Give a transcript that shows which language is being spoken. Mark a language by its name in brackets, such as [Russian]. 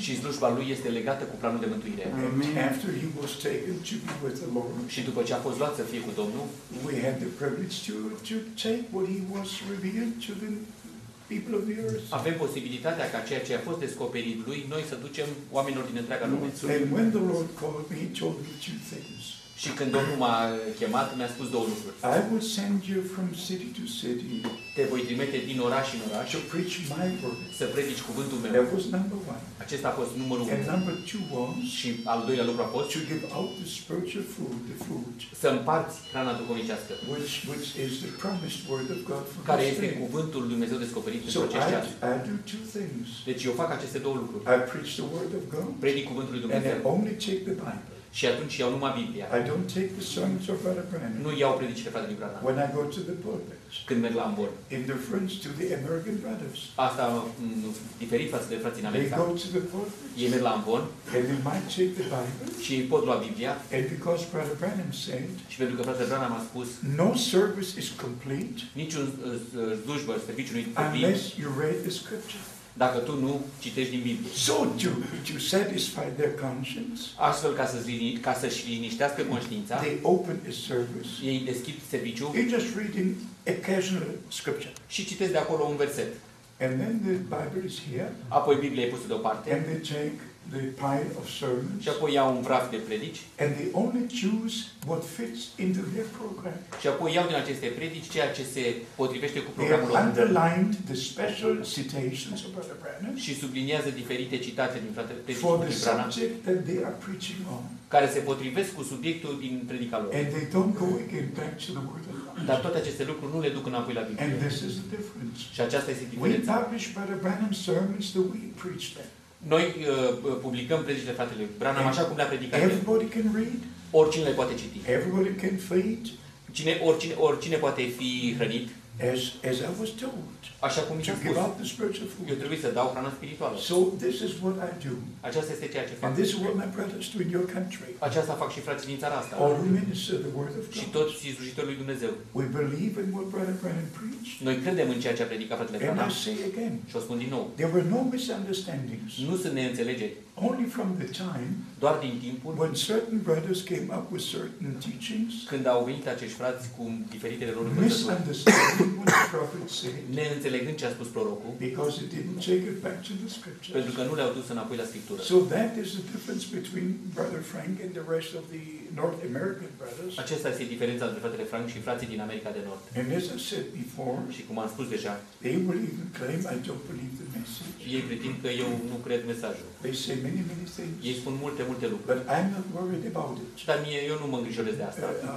[Romanian] Și slujba lui este legată cu planul de mântuire. Amen. [English] After he was taken to be with the Lord. [Romanian] Și după ce a fost luat să fie cu Domnul. [English] We had the privilege to take what he was revealed to the people of the earth. [Romanian] Avem posibilitatea ca ceea ce a fost descoperit lui noi să ducem oamenilor din întreaga lume. [English] And when the Lord called me, he told me two things. [Romanian] Și când Domnul m-a chemat, mi-a spus două lucruri. [English] I will send you from city to city. [Romanian] Te voi trimite din oraș în oraș. [English] To preach my word. [Romanian] Să predici cuvântul meu. [English] That was number one. [Romanian] Acesta a fost numărul unu. [English] And number two was. [Romanian] Și al doilea lucru a fost. [English] To give out the spiritual food, the food. [Romanian] Să împarți hrana duhovnicească. [English] Which is the promised word of God for us. [Romanian] Care este cuvântul lui Dumnezeu descoperit în acest ceas. [English] So I do two things. [Romanian] Deci eu fac aceste două lucruri. [English] I preach the word of God. [Romanian] Predic cuvântul lui Dumnezeu. [English] And I only check the Bible. [Romanian] Și atunci iau numai Biblia. [English] I don't take the songs of Brother Branham. [Romanian] Nu iau predicile fratelui Branham. [English] When I go to the pulpit. [Romanian] Când merg la ambon. [English] In reference to the American brothers. [Romanian] Asta diferit față de frații în America. [English] They go to the pulpit. [Romanian] Ei merg la ambon. [English] And they might take the Bible. [Romanian] Și pot lua Biblia. [English] And because Brother Branham said. [Romanian] Și pentru că fratele Branham a spus. [English] No service is complete. [Romanian] Niciun slujbă, serviciu nu e complet. [English] Unless you read the scripture. [Romanian] Dacă tu nu citești din Biblie. [English] So to satisfy their conscience. [Romanian] Astfel ca să să-și liniștească conștiința. [English] They open a service. [Romanian] Ei deschid serviciul. [English] They just reading occasional scripture. [Romanian] Și citesc de acolo un verset. [English] And then the Bible is here. [Romanian] Apoi Biblia e pusă deoparte. [English] And they take the pile of sermons. [Romanian] Și apoi iau un praf de predici. [English] And they only choose what fits into their program. [Romanian] Și apoi iau din aceste predici ceea ce se potrivește cu programul lor. [English] They underlined the special citations of Brother Branham. [Romanian] Și subliniază diferite citate din fratele Branham. [English] For the subject that they are preaching on. [Romanian] Care se potrivesc cu subiectul din predica lor. [English] And they don't go again back to the word of God. [Romanian] Dar toate aceste lucruri nu le duc înapoi la Biblie. [English] And this is the difference. [Romanian] Și aceasta este diferența. [English] We publish Brother Branham's sermons that we preach them. [Romanian] Noi publicăm predicile fratele Branham așa cum le-a predicat. [English] Everybody can read. [Romanian] Oricine le poate citi. [English] Everybody can feed. [Romanian] Cine oricine poate fi hrănit. [English] As I was told. [Romanian] Așa cum [English] to give up the spiritual food. [Romanian] Eu trebuie să dau hrană spirituală. [English] So this is what I do. [Romanian] Aceasta este ceea ce fac. [English] And this is what my brothers do in your country. [Romanian] Aceasta fac și frații din țara asta. [English] All minister the word of God. [Romanian] Și toți slujitorii lui Dumnezeu. [English] We believe in what Brother Branham preached. [Romanian] Noi credem în ceea ce a predicat fratele Branham. [English] And I say again. [Romanian] Și o spun din nou. [English] There were no misunderstandings. [Romanian] Nu sunt neînțelegeri. [English] Only from the time. [Romanian] Doar din timpul. [English] When certain brothers came up with certain teachings. [Romanian] Când au venit acești frați cu diferitele lor învățături. Neînțelegând ce a spus prorocul. [English] Because it didn't take it back to the scriptures. [Romanian] Pentru că nu le-au dus înapoi la scriptură. [English] So that is the difference between Brother Frank and the rest of the North American brothers. [Romanian] Aceasta este diferența între fratele Frank și frații din America de Nord. [English] And as I said before. [Romanian] Și cum am spus deja. [English] They will even claim I don't believe the message. [Romanian] Ei pretind că eu nu cred mesajul. [English] Many [Romanian] ei spun multe, multe lucruri. [English] But I'm not worried about it. [Romanian] Dar mie, eu nu mă îngrijorez de asta.